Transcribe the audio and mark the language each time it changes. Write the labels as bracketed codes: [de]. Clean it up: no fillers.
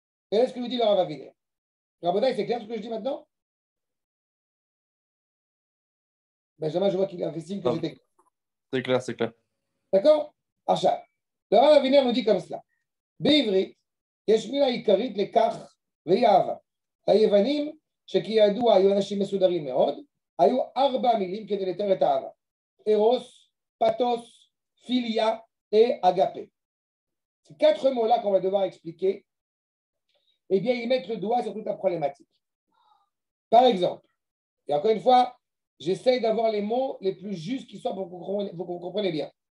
[fr] Et là, ce que nous dit le Rav Avinel. Rabotai, c'est clair ce que je dis maintenant? Benjamin, je vois qu'il a fait signe que non. J'étais... C'est clair, c'est clair. D'accord? Archa. Le Rav Avinel nous dit comme cela. [he] Beivri, Yeshmila Ikarit, le Kach, Veyava. היוונים שכידוע היו אנשים מסודרים מאוד, היו ארבע מילים כדי לתאר את האהבה. אירוס, פתוס, פיליה ואגפה. [fr] C'est 4 mots là qu'on va devoir expliquer. Eh bien, ils mettent le doigt sur toute la problématique. Par exemple, et encore une fois, j'essaie d'avoir les mots les plus justes qui soient pour que vous compreniez bien.